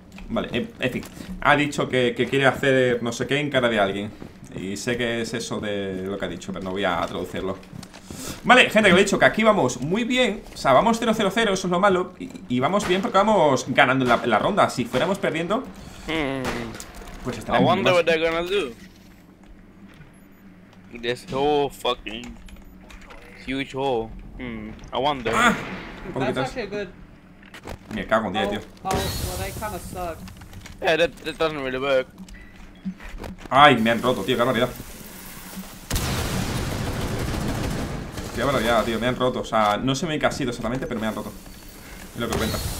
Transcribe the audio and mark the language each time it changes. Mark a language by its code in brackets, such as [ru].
[es] Vale, en fin. Ha dicho que quiere hacer no sé qué en cara de alguien. Y sé que es eso de lo que ha dicho, pero no voy a traducirlo. Vale, gente, que lo he dicho, que aquí vamos muy bien. O sea, vamos 0-0-0, eso es lo malo. Y vamos bien porque vamos ganando la ronda. Si fuéramos perdiendo, pues estaríamos. [en] I wonder what they're gonna do. This whole fucking huge hole. I wonder. Ah, that's [es] me cago en 10, tío. [en] Oh, well, they kinda suck. Yeah, that doesn't really work. [es] Ay, me han roto, tío, qué barbaridad. Qué barbaridad, tío, me han roto. O sea, no sé muy qué ha sido exactamente, pero me han roto. Es lo que cuenta.